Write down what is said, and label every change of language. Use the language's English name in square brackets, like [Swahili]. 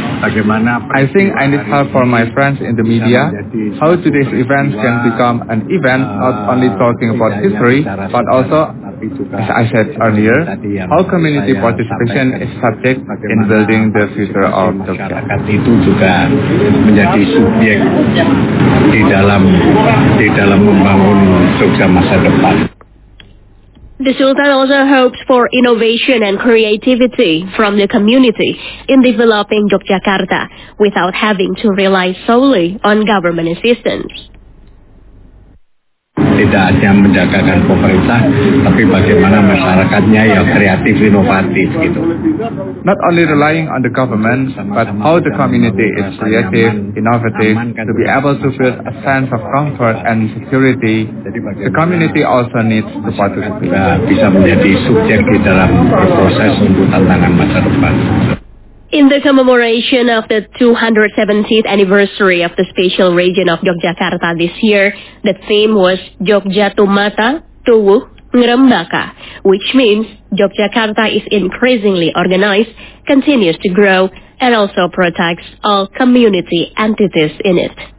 [English] I think I need help from my friends in the media, how today's events can become an event not only talking about history, but also, as I said earlier, how community participation is subject in building the future of Jogja. [Indonesian] Itu juga menjadi subjek di dalam membangun Jogja masa depan. [English] The Sultan also hopes for innovation and creativity from the community in developing Yogyakarta without having to rely solely on government assistance. [Indonesian] Tidak hanya menjagakan pemerintah, tapi bagaimana masyarakatnya yang kreatif, inovatif gitu. [English] Not only relying on the government, but how the community is creative, innovative, to be able to feel a sense of comfort and security. The community also needs to participate. [Indonesian] Bisa menjadi subjek di dalam proses untuk tantangan masa depan. [English] In the commemoration of the 270th anniversary of the Special Region of Yogyakarta this year, the theme was Jogja Tumata Tuwuh Ngrembaka, which means Yogyakarta is increasingly organized, continues to grow, and also protects all community entities in it.